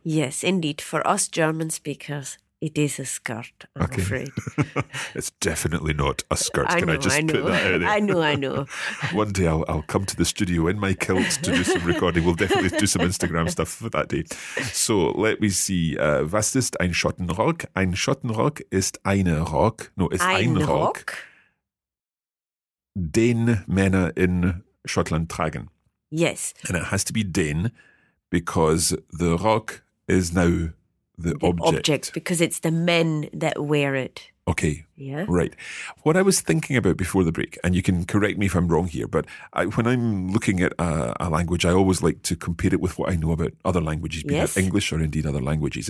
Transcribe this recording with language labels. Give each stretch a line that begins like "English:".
English: Yes, indeed. For us German speakers, it is a skirt, I'm okay. afraid. It's definitely not a skirt. I know. Put that out there? I know. One day I'll come to the studio in my kilt to do some recording. We'll definitely do some Instagram stuff for that day. So let me see.
German: Was ist ein Schottenrock? Ein Schottenrock ist eine Rock. No, ist ein Rock. Den Männer in Schottland tragen.
English: Yes. And it has to be den because the rock is now... The object, because it's the men that wear it. Okay. Yeah. Right. What I was thinking about before the break, and you can correct me if I'm wrong here, but when I'm looking at a language, I always like to compare it with what I know about other languages, be it English or indeed other languages.